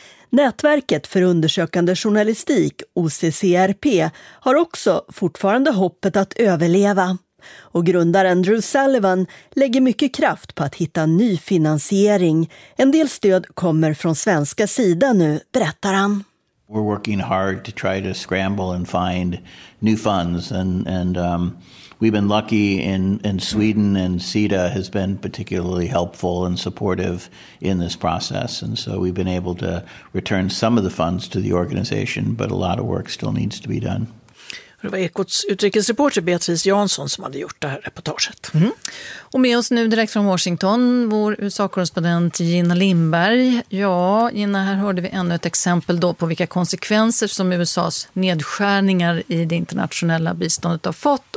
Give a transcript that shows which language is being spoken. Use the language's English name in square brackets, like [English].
[Swedish] Nätverket för undersökande journalistik, OCCRP, har också fortfarande hoppet att överleva. Och grundaren Drew Sullivan lägger mycket kraft på att hitta ny finansiering. En del stöd kommer från svenska sidan nu, berättar han. [English] We're working hard to try to scramble and find new funds and we've been lucky in Sweden, and CETA has been particularly helpful and supportive in this process. And so we've been able to return some of the funds to the organization, but a lot of work still needs to be done. [Swedish] Det var Ekots utrikesreporter Beatrice Jansson som hade gjort det här reportaget. Mm. Och med oss nu direkt från Washington, vår USA-korrespondent Gina Lindberg. Ja, Gina, här hörde vi ännu ett exempel då på vilka konsekvenser som USAs nedskärningar i det internationella biståndet har fått.